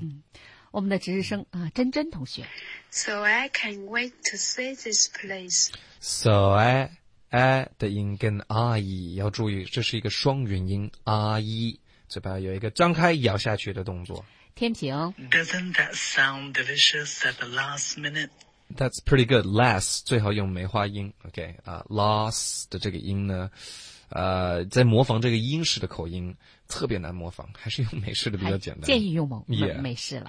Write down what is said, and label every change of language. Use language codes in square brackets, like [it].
[zh] 嗯，我们的值日生啊、珍珍同学。 [en] So I can wait to see this place. So I... [zh] I 的音跟 I 要注意，这是一个双元音 I， 嘴巴有一个张开咬下去的动作。天平。 [en] Doesn't that sound delicious at the last minute? That's pretty good. [zh] Last 最好用梅花音 ，OK 啊、，last 的这个音呢，在模仿这个英式的口音特别难模仿，还是用美式的比较简单。建议用 [en] yeah, [zh] 美式了，